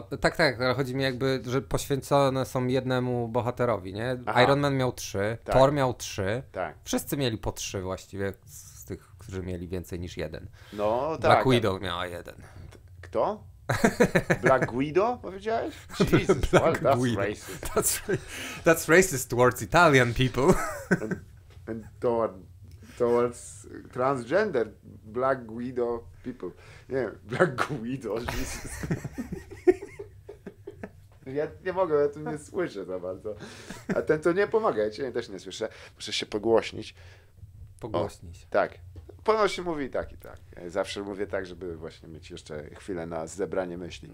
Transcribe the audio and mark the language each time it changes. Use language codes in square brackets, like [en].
[pl] Tak, ale chodzi mi jakby, że poświęcone są jednemu bohaterowi, nie? Aha. Iron Man miał trzy, tak. Thor miał trzy. Tak. Wszyscy mieli po trzy właściwie z tych, którzy mieli więcej niż jeden. No tak. Black Widow miała jeden. Kto? Black Guido powiedziałeś? [en] Jesus, Black well, that's Guido. Racist. That's racist towards Italian people. And towards transgender Black Guido people. [pl] Nie wiem, Black Guido, [en] Jesus. [pl] Ja nie mogę, ja tu nie słyszę za bardzo. A ten to nie pomaga, ja cię też nie słyszę. Muszę się pogłośnić. Pogłośnić. O, tak. Ponoć się mówi tak i tak. Zawsze mówię tak, żeby właśnie mieć jeszcze chwilę na zebranie myśli.